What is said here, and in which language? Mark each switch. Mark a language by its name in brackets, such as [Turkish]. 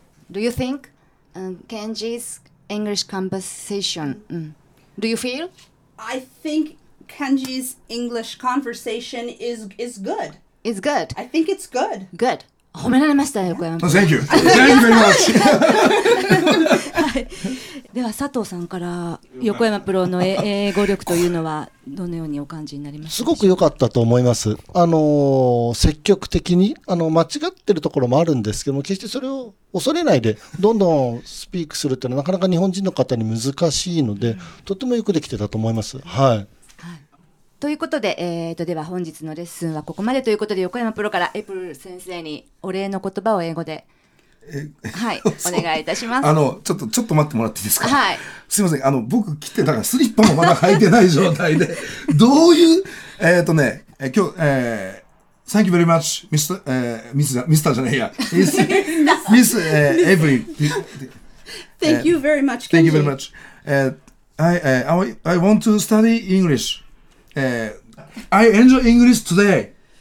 [English] Do you think Kenji's English conversation, do you feel? I think Kenji's English conversation is good. It's good. I think it's good. Good. [Japanese] 褒められました、横山君。 [English] Thank you. Thank you very much. [Japanese] では佐藤さんから横山プロの英語力というのはどのようにお感じになりますか。すごく良かったと思います。積極的に間違ってるところもあるんですけども、決してそれを恐れないでどんどんスピークするというのはなかなか日本人の方に難しいので、とてもよくできてたと思います。はい。ということで、では本日のレッスンはここまでということで、横山プロからエプル先生にお礼の言葉を英語で、はい、お願いいたします。ちょっと待ってもらっていいですか。はい、すいません、僕来てだからスリッパもまだ履いてない状態でどういう今日、 [English] Thank you very much, Mr. [Japanese] じゃないや、Miss エプリル。 [English] Thank you very much, Thank you very much. I want to study EnglishI enjoy English today.